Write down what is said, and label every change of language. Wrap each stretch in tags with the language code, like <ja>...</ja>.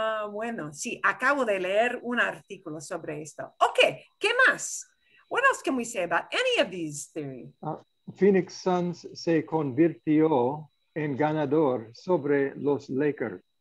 <es>Bueno, sí, acabo de leer un artículo sobre esto. Ok, ¿qué más?</es> <en>What else can we say about any of these theories?</en> <es>Phoenix Suns se convirtió en ganador sobre los Lakers.</es>